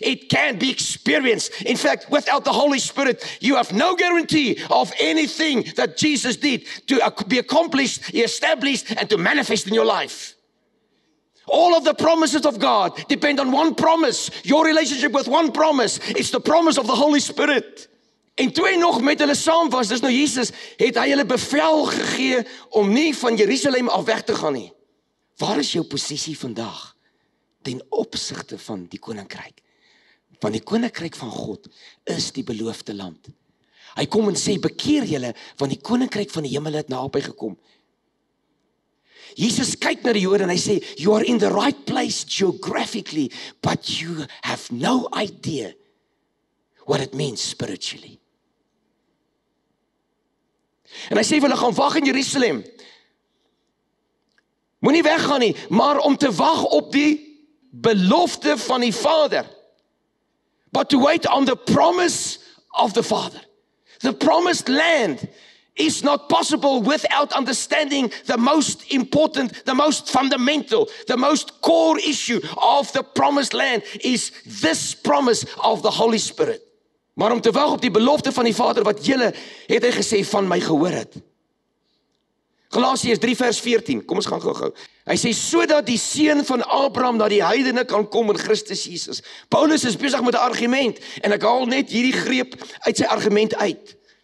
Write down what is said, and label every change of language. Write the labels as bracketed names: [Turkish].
[English] It can be experienced. In fact, without the Holy Spirit, you have no guarantee of anything that Jesus did to be accomplished, established, and to manifest in your life. All of the promises of God depend on one promise. Your relationship with one promise is the promise of the Holy Spirit. [Afrikaans] En toe hy nog met hulle saam was, dus nou Jesus, het hy hulle bevel gegee om nie van Jerusalem af weg te gaan nie. Waar is jou posisie vandag ten opsigte van die koninkryk? Want die koninkryk van God is die beloofde land. Hy kom en sê, bekeer julle, want die koninkryk van die hemel het naby gekom. Jesus kyk na die Jode en hy sê, [English] you are in the right place geographically, but you have no idea what it means spiritually. [Afrikaans] En hy sê, hulle gaan wag in Jerusalem. Moet nie weggaan nie, maar om te wag op die belofte van die Vader. [English] But to wait on the promise of the Father. The promised land is not possible without understanding the most important, the most fundamental, the most core issue of the promised land is this promise of the Holy Spirit. [Afrikaans] Maar om te wag op die belofte van die Vader wat julle, het hy gesê, van my gehoor het. Galasiërs 3 vers 14, kom ons gaan gou. Hy sê, sodat die seun van Abraham na die heidene kan kom in Christus Jesus. Paulus is besig met 'n argument en ek haal net hierdie greep uit sy argument uit.